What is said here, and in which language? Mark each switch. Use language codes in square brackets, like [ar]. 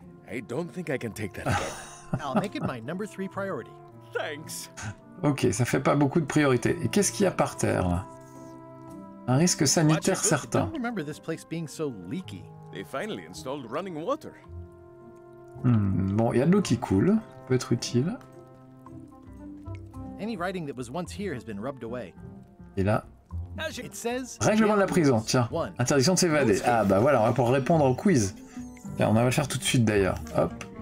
[en] I don't think I can take that again. I'll make it my number three priority. Thanks. [fr] Ok, ça fait pas beaucoup de priorités. Et qu'est-ce qu'il y a par terre? Un risque sanitaire certain. [en] I don't remember this place being so leaky. They finally installed running water. [fr] Bon, il y a de l'eau qui coule, ça peut être utile. [en] Any writing that was once here has been rubbed away. [fr] Et là, [en] it says [fr] règlement de la prison, tiens, interdiction de s'évader. Ah bah voilà, on va pouvoir répondre au quiz. Tiens, on va le faire tout de suite d'ailleurs. Hop.